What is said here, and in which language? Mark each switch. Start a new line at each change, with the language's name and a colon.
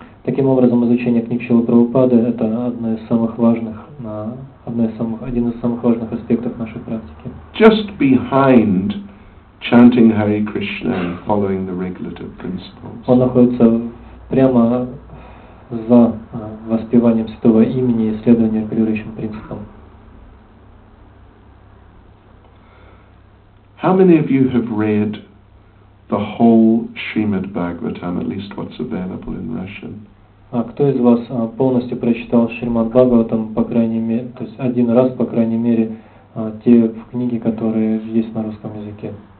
Russian: Таким образом, изучение книг Шрилы Прабхупады — это один из самых важных аспектов нашей практики.
English: Just behind chanting Hare Krishna and following the regulative principles.
Russian: Он находится прямо за воспеванием святого имени и следованием регулирующим принципам.
English: How many of you have read the whole Srimad Bhagavatam, at least what's available in Russian?
Russian: А кто из вас полностью прочитал Шримад Бхагаватам, по крайней мере, то есть один раз, по крайней мере, те книги, которые есть на русском языке?